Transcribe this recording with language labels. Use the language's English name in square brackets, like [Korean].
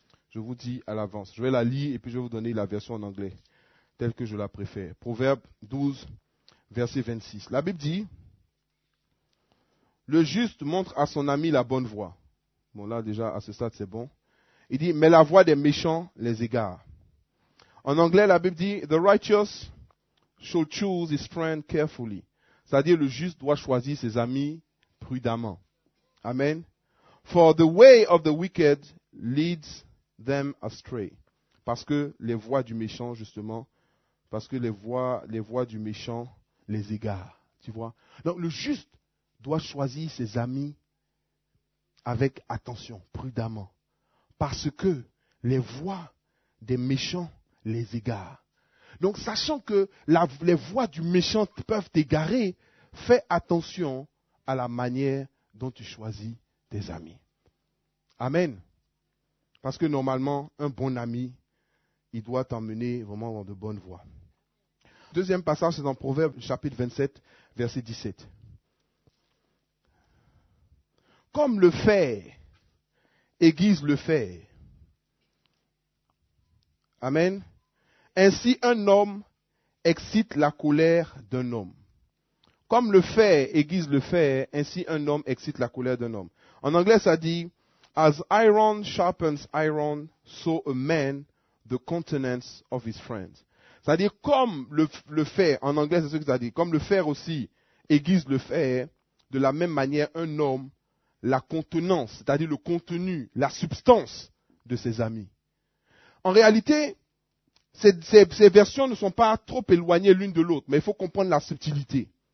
[French] Je vous dis à l'avance. Je vais la lire et puis je vais vous donner la version en anglais, telle que je la préfère. Proverbes 12, verset 26. La Bible dit, le juste montre à son ami la bonne voie. Bon, là, déjà, à ce stade, c'est bon. Il dit, mais la voie des méchants les égare. En anglais, la Bible dit, [English] the righteous shall choose his friend carefully. [French] C'est-à-dire, le juste doit choisir ses amis prudemment. Amen. [English] For the way of the wicked leads them astray. [French] Parce que les voies du méchant, justement, parce que les voies du méchant les égare. Tu vois? Donc, le juste doit choisir ses amis avec attention, prudemment. Parce que les voies des méchants les égarent. Donc, sachant que les voies du méchant peuvent t'égarer, fais attention à la manière dont tu choisis tes amis. Amen. Parce que normalement, un bon ami, il doit t'emmener vraiment dans de bonnes voies. Deuxième passage, c'est dans Proverbes chapitre 27, verset 17. Comme le fer aiguise le fer. Amen. Ainsi un homme excite la colère d'un homme. Comme le fer aiguise le fer, ainsi un homme excite la colère d'un homme. En anglais, ça dit, [English] as iron sharpens iron, so a man the countenance of his friends. [French] C'est-à-dire, comme le fer, en anglais, c'est ce que ça dit, comme le fer aussi aiguise le fer, de la même manière, un homme, la contenance, c'est-à-dire le contenu, la substance de ses amis. En réalité, ces versions ne sont pas trop éloignées l'une de l'autre, mais il faut comprendre la subtilité.